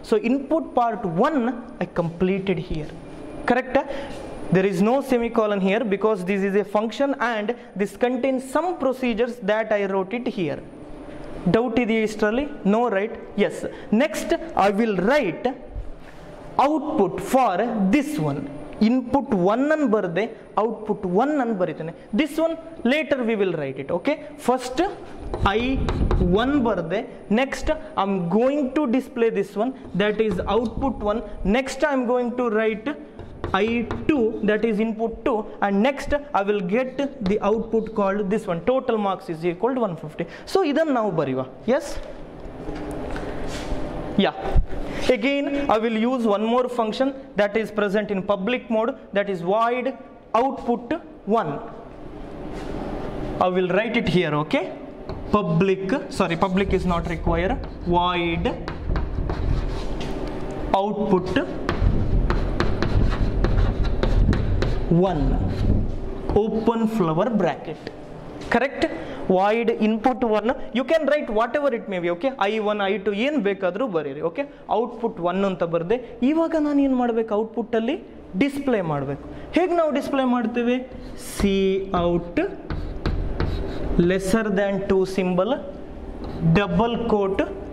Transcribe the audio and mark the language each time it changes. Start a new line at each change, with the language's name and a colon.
English: So input part 1 I completed here, correct? There is no semicolon here because this is a function and this contains some procedures that I wrote it here. Doubt
Kannada: ide istralli?
English: No, right? Yes, next I will write output for this one.
Kannada: Input one ಅನ್ನು ಬರದೆ output one ಅನ್ನು ಬರೀತೇನೆ.
English: This one later we will write it. Okay, first I one
Kannada: ಬರದೆ,
English: Next I am going to display this one, that is output one. Next I am going to write I two, that is input two. And next I will get the output called this one. Total marks is equalled 150. So
Kannada: ಇದನ್ನು ನಾವು ಬರೆಯುವ.
English: Yes, yeah. Again, I will use one more function that is present in public mode, that is void output 1. I will write it here, okay? Public is not required. Void output 1. Open flower bracket. Correct? Void input 1, you can write whatever it may be, okay?
Kannada: I1, I2, ಏನ್ ಬೇಕಾದ್ರೂ ಬರೀರಿ. Okay, output 1 ಅಂತ ಬರದೆ ಇವಾಗ ನಾನು ಏನು ಮಾಡಬೇಕು, ಔಟ್ಪುಟ್ಟಲ್ಲಿ display ಮಾಡಬೇಕು. ಹೇಗೆ ನಾವು ಡಿಸ್ಪ್ಲೇ ಮಾಡ್ತೇವೆ, C out
English: Lesser than 2 symbol double quote.